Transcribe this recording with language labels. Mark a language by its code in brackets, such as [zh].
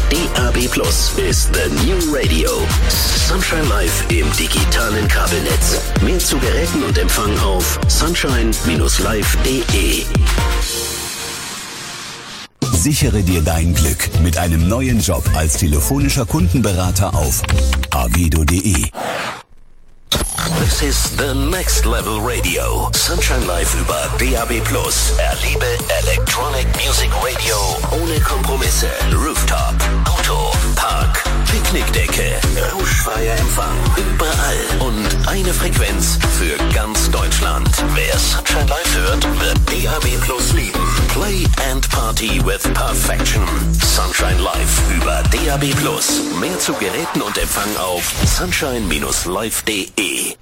[de] DAB+ ist [en] the new radio. [de] Sunshine Live im digitalen Kabelnetz. Mehr zu Geräten und Empfang auf sunshine-live.de. Sichere dir dein Glück mit einem neuen Job als telefonischer Kundenberater auf avedo.de. [en] This is the next level radio. [de] Sunshine Live über DAB+. Erlebe Electronic Music Radio ohne Kompromisse. Rooftop, Auto, Park, Picknickdecke, rauschfreier Empfang, überall und eine Frequenz für ganz Deutschland. Wer Sunshine Live hört, wird DAB Plus lieben. [en] Play and party with perfection. [de] Sunshine Live über DAB Plus. Mehr zu Geräten und Empfang auf sunshine-live.de.